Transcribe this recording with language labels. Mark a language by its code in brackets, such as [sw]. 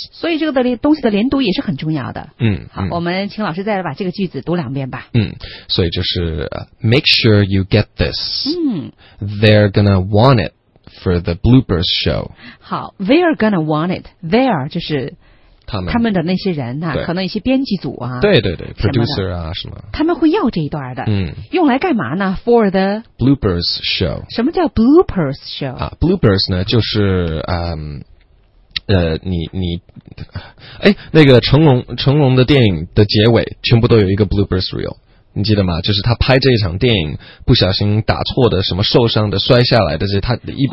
[zh] 所以这个的东西的连读也是很重要的嗯好嗯我们请老师再把这个句子读两遍吧嗯所以就是、 [en] make sure you get this 嗯 they're gonna want it for the bloopers show 好 they're gonna want it they're [zh] 就是他们的那些人啊可能一些编辑组啊对对对 producer 啊什么他们会要这一段的嗯用来干嘛呢 [en] for the bloopers show [zh] 什么叫 bloopers show 啊 bloopers 呢就是你哎那个成龙的电影的结尾全部都有一个 bloopers reel你记得吗就是他拍这一场电影不小心打错的什么受伤的摔下来的这他的一